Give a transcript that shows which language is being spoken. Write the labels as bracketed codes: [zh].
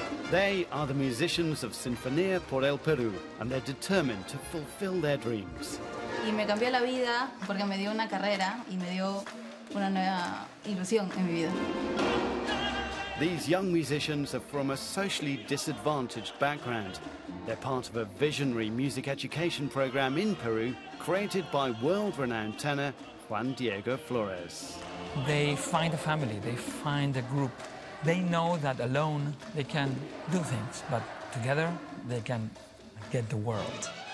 [en] They are the musicians of Sinfonía por el Perú, and they're determined to fulfill their dreams. [es] Y me cambió la vida porque me dio una carrera y me dio una nueva ilusión en mi vida. [en] These young musicians are from a socially disadvantaged background. They're part of a visionary music education program in Peru created by world-renowned tenor Juan Diego Flórez. They find a family, they find a group. They know that alone they can do things, but together they can get the world.